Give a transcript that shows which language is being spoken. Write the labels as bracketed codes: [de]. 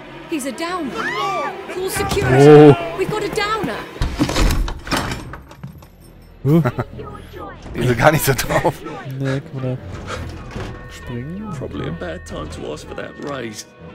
[en] He's a downer. Call security. Oh. We've got a downer. [de] Die sind gar nicht so drauf. Nee, guck mal da. Springen. [en] Probably a bad time to ask for that raise.